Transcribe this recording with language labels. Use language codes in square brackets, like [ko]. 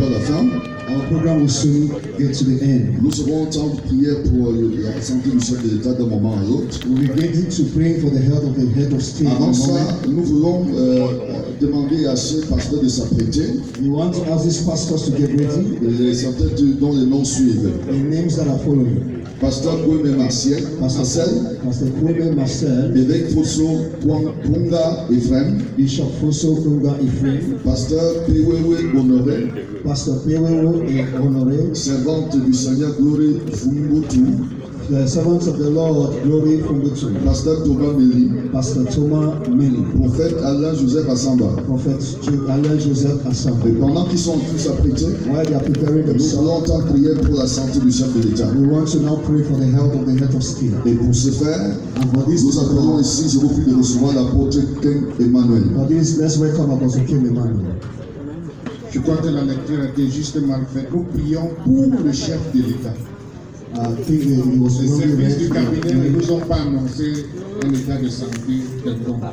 [fr] Nous aurons un temps de prière pour la santé du chef de l'État d'un moment à l'autre. [en] We begin to pray for the health of the head of state. [fr] Avant ça, nous voulons demander à ce pasteur de s'apprêter. [en] We want to ask this pastor to get ready. [fr] Les têtes dont les noms suivent. [en] The names that are following. [fr] Pasteur Kouemé Marcel. Pasteur Kouemé Marcel. Évêque Fosso Kunga Ephraim. [en] Bishop Fosso Kunga Ephraim. [fr] Pasteur Piwewe Honoré. Pasteur Piwewe et Honoré. Servante du Seigneur Glory Fumbutu. [en] The servants of the Lord Glory Fumbutu. [fr] Pasteur Thomas Meli. Pasteur Thomas Meli. Prophète Alain Joseph Assamba. Prophète Alain Joseph Assamba. Et pendant qu'ils sont tous apprêtés, [en] while they are preparing themselves, [fr] nous allons en prier pour la santé du chef de l'État. [en] We want to now pray for the health of the head of state. [fr] Et pour ce faire, [en] and for this, [fr] nous appelons ici, je vous prie de recevoir l'apôtre Ken Emmanuel. [en] For this, let's welcome Apostle Ken Emmanuel. [fr] Je crois que la lecture était justement faite. Nous prions pour le chef de l'État. Les services du cabinet ne nous ont pas annoncé un état de santé quelconque.